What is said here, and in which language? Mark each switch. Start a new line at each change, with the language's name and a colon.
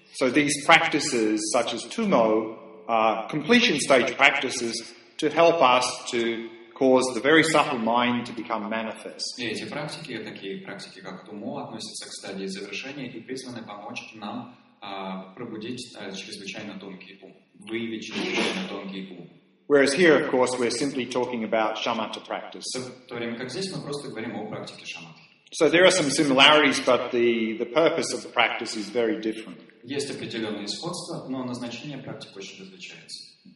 English: So these practices, such as tumo, are completion stage practices to help us to cause the very subtle mind to become manifest.
Russian: И эти практики, такие практики как тумо, относятся к стадии завершения и призваны помочь нам пробудить чрезвычайно тонкий ум, выявить чрезвычайно тонкий ум.
English: Whereas here, of course, we're simply talking about shamatha practice.
Russian: В то время как здесь мы просто говорим о практике шамат.
English: So there are some similarities, but the purpose of the practice is very different.
Russian: Есть определенные сходства, но назначение практики очень различается.